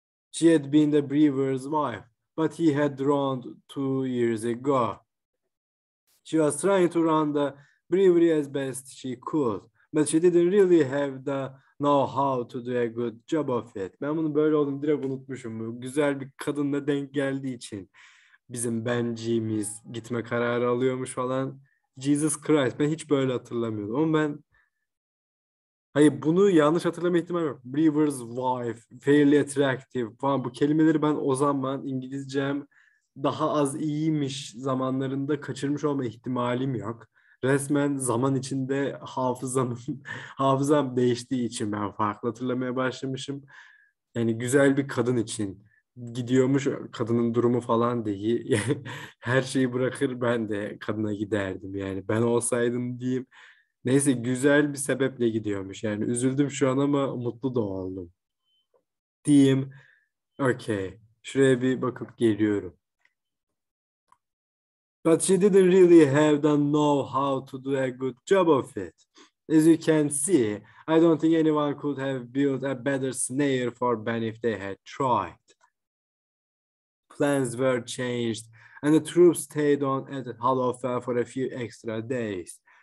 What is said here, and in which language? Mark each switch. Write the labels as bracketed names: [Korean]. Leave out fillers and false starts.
[English] She had been the brewer's wife, but he had drowned 2 years ago. She was trying to run the brewery as best she could, but she didn't really have the know-how to do a good job of it. [Turkish] Ben bunu böyle olduğunu direkt unutmuşum. Güzel bir kadınla denk geldiği için bizim benciğimiz gitme kararı alıyormuş falan. Jesus Christ, ben hiç böyle hatırlamıyordum. Ama ben hayır, bunu yanlış hatırlama ihtimali yok. [English] Brewer's wife, fairly attractive [Turkish] falan, bu kelimeleri ben o zaman İngilizcem daha az iyiymiş zamanlarında kaçırmış olma ihtimalim yok. Resmen zaman içinde hafızam değiştiği için ben farklı hatırlamaya başlamışım. Yani güzel bir kadın için gidiyormuş, kadının durumu falan değil. Her şeyi bırakır ben de kadına giderdim. Yani ben olsaydım diyeyim. Neyse, güzel bir sebeple gidiyormuş. Yani üzüldüm şu an ama mutlu da oldum diyeyim. Okay. Şuraya bir bakıp geliyorum. [English] But she didn't really have the know-how to do a good job of it. As you can see, I don't think anyone could have built a better snare for Ben if they had tried. Plans were changed, and the troops stayed on at Hollowfell for a few extra days.